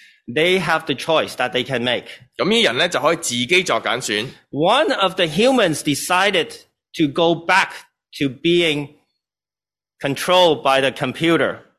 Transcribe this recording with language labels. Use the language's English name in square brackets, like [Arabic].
[English] They have the choice that they can make. [Cantonese] 咁啲人咧就可以自己作拣选。 [English] One of the humans decided to go back to being controlled by the computer.